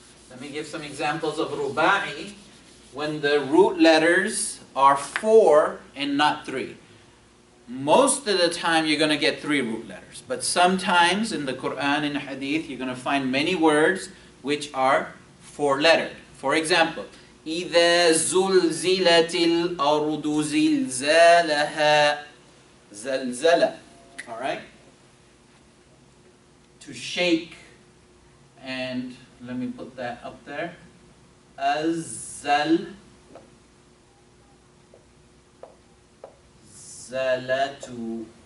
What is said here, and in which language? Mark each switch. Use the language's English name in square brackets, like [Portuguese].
[English] Let me give some examples of ruba'i when the root letters are four and not three. Most of the time, you're going to get three root letters. But sometimes in the Quran and Hadith, you're going to find many words which are four-lettered. For example, [Arabic] إِذَا زُلْزِلَتِ الْأَرُضُ زِلْزَالَهَا زَلْزَلَ. [English] All right? To shake. And let me put that up there. أَزَّلْ Zalatu.